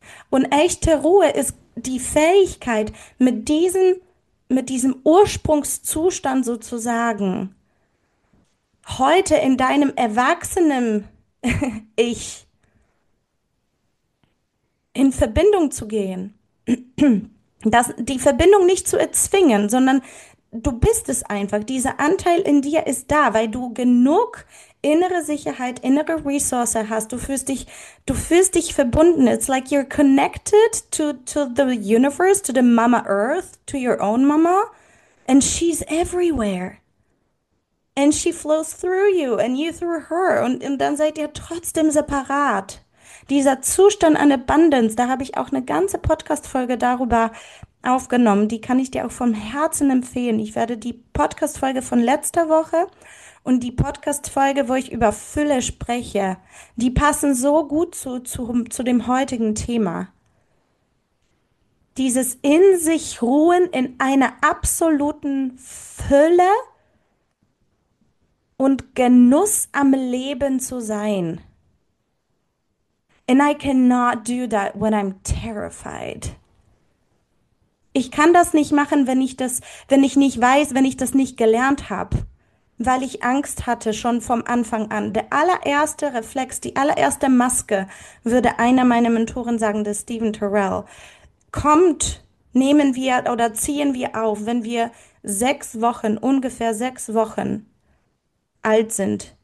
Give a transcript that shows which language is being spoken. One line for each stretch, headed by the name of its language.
German: Und echte Ruhe ist die Fähigkeit, mit diesem Ursprungszustand sozusagen, heute in deinem erwachsenen Ich in Verbindung zu gehen. Die Verbindung nicht zu erzwingen, sondern du bist es einfach. Dieser Anteil in dir ist da, weil du genug innere Sicherheit, innere Ressource hast. Du fühlst dich verbunden.
English: It's like you're connected to the universe, to the Mama Earth, to your own Mama. And she's everywhere. And she flows through you and you through her.
German: Und dann seid ihr trotzdem separat. Dieser Zustand an Abundance, da habe ich auch eine ganze Podcast-Folge darüber aufgenommen, die kann ich dir auch vom Herzen empfehlen. Ich werde die Podcast-Folge von letzter Woche und die Podcast-Folge, wo ich über Fülle spreche, die passen so gut zu dem heutigen Thema. Dieses in sich ruhen in einer absoluten Fülle und Genuss am Leben zu sein.
English: And I cannot do that when I'm terrified.
German: Ich kann das nicht machen, wenn ich nicht weiß, wenn ich das nicht gelernt habe, weil ich Angst hatte schon vom Anfang an. Der allererste Reflex, die allererste Maske, würde einer meiner Mentoren sagen, der Stephen Terrell, kommt, nehmen wir oder ziehen wir auf, wenn wir 6 Wochen, ungefähr 6 Wochen alt sind,